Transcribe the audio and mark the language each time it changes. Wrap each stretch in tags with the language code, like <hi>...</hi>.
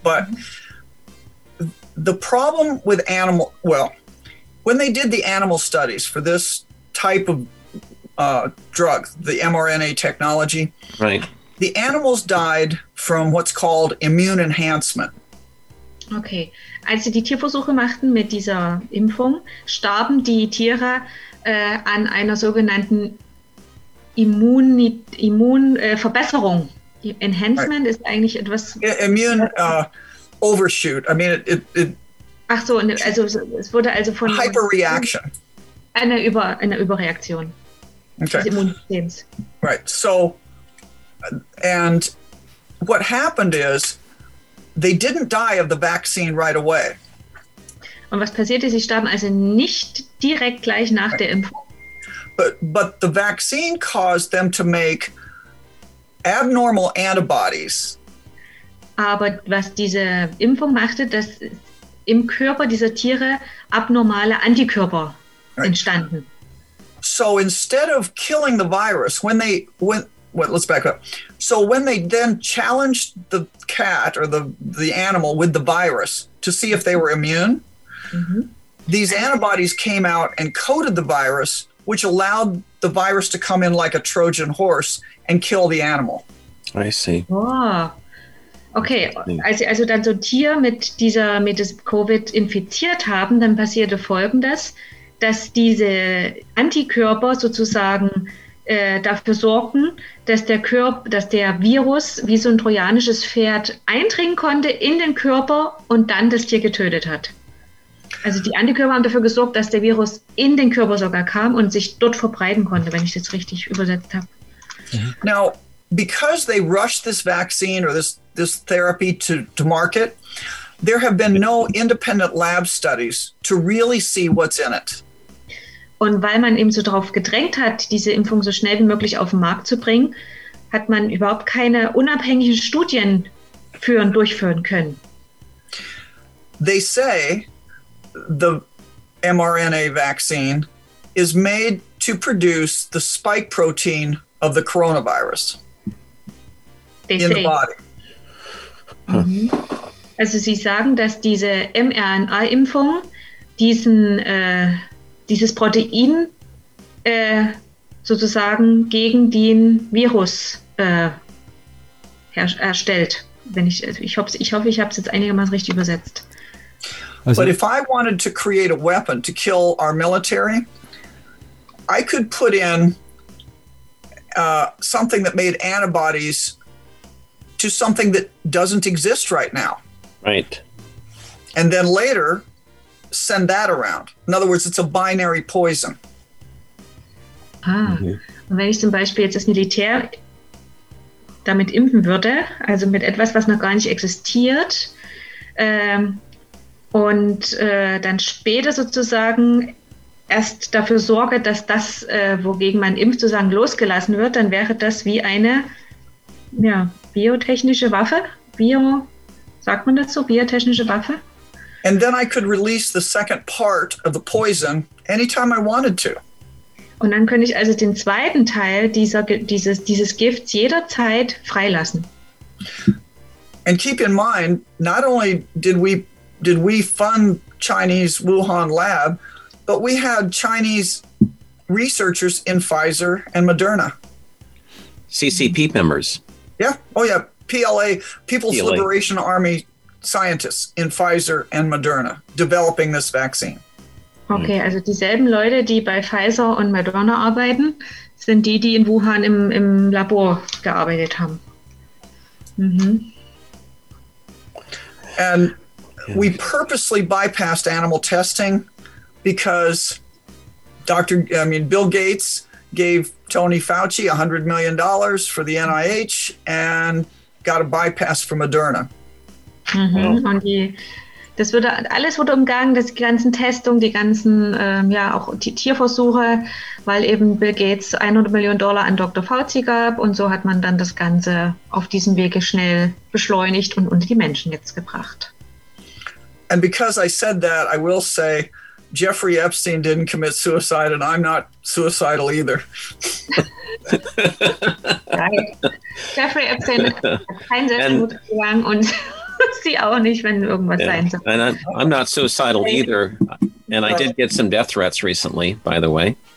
<en>But the problem with when they did the animal studies for this type of drug, the mRNA technology, right? The animals died from what's called immune enhancement.</en> <de>Okay, als sie die Tierversuche machten mit dieser Impfung, starben die Tiere an einer sogenannten Immunverbesserung. Enhancement ist eigentlich etwas.</de> <en>Immune overshoot. I mean, it.</en> <de>Ach so, also es wurde also von.</de> <en>Hyperreaction.</en> <de>Eine Überreaktion. Okay. Des Immunsystems.</de> <en>Right. So, and what happened is, they didn't die of the vaccine right away.</en> <de>Und was passierte? Sie starben also nicht direkt gleich nach der Impfung.</de> <en>But the vaccine caused them to make abnormal antibodies.</en> <de>Aber was diese Impfung machte, dass im Körper dieser Tiere abnormale Antikörper entstanden.</de> <en>So instead of killing the virus, when they then challenged the cat or the animal with the virus to see if they were immune, these antibodies came out and coated the virus, which allowed the virus to come in like a Trojan horse and kill the animal. I see. Oh.</en> <de>Okay, als sie also dann so ein Tier mit Covid infiziert haben, dann passierte Folgendes, dass diese Antikörper sozusagen dafür sorgen, dass der Virus wie so ein trojanisches Pferd eindringen konnte in den Körper und dann das Tier getötet hat. Also die Antikörper haben dafür gesorgt, dass der Virus in den Körper sogar kam und sich dort verbreiten konnte, wenn ich das richtig übersetzt habe.</de> <en>Now, because they rushed this vaccine or this therapy to market, there have been no independent lab studies to really see what's in it.</en> <de>Und weil man eben so darauf gedrängt hat, diese Impfung so schnell wie möglich auf den Markt zu bringen, hat man überhaupt keine unabhängigen Studien durchführen können.</de> <en>They say the mRNA vaccine is made to produce the spike protein of the coronavirus in the body. Mhm.</en> <de>Also sie sagen, dass diese mRNA-Impfung dieses Protein sozusagen gegen den Virus erstellt. Ich habe es jetzt einigermaßen richtig übersetzt.</de> <en>Also, but if I wanted to create a weapon to kill our military, I could put in something that made antibodies to something that doesn't exist right now. Right. And then later send that around. In other words, it's a binary poison. Ah. Mm-hmm.</en> <de>Und wenn ich zum Beispiel jetzt das Militär damit impfen würde, also mit etwas, was noch gar nicht existiert, und dann später sozusagen erst dafür sorge, dass das, wogegen man impft, sozusagen losgelassen wird, dann wäre das wie eine, ja, biotechnische Waffe? Sagt man dazu? Biotechnische Waffe?</de> <en>And then I could release the second part of the poison anytime I wanted to.</en> <de>Und dann könnte ich also den zweiten Teil dieses Gifts jederzeit freilassen.</de> <en>And keep in mind, not only did we fund Chinese Wuhan lab, but we had Chinese researchers in Pfizer and Moderna. CCP members. Yeah. Oh, yeah. PLA, People's Liberation Army scientists in Pfizer and Moderna developing this vaccine.</en> <de>Okay, also dieselben Leute, die bei Pfizer und Moderna arbeiten, sind die, die in Wuhan im Labor gearbeitet haben. Mhm.</de> <en>And we purposely bypassed animal testing because Bill Gates gave Tony Fauci $100 million for the NIH and got a bypass for Moderna. Mhm.</en> <de>Und alles wurde umgangen, das, die ganzen Testungen, die ganzen auch die Tierversuche, weil eben Bill Gates $100 Millionen an Dr. Fauci gab und so hat man dann das Ganze auf diesem Wege schnell beschleunigt und unter die Menschen jetzt gebracht.</de> <en>And because I said that, I will say Jeffrey Epstein didn't commit suicide and I'm not suicidal either. Right.</en> <de>Jeffrey Epstein hat keinen Selbstmord begangen und sie auch nicht, wenn irgendwas sein soll.</de> <en>And I'm not suicidal either. And I did get some death threats recently, by the way.</en>